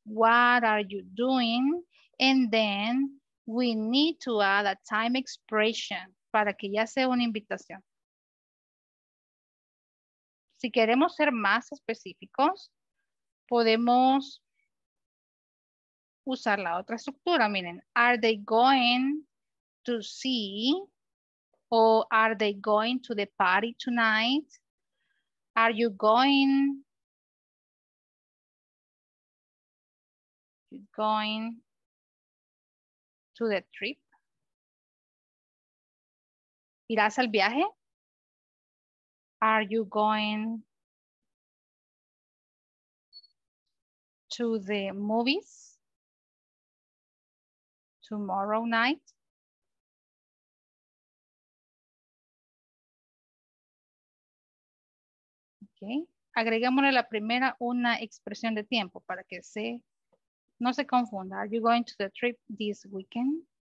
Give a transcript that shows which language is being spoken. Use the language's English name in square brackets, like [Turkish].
[English] What are you doing? And then we need to add a time expression para que ya sea una invitación. [Spanish] Si queremos ser más específicos, podemos usar la otra estructura. [English] Miren, are they going to see, or are they going to the party tonight? Are you going? Going to the trip? [Spanish] ¿Irás al viaje? [English] Are you going to the movies tomorrow night? Okay. [Spanish] Agregámosle la primera una expresión de tiempo para que se no se confunda. [English] Are you going to the trip this weekend?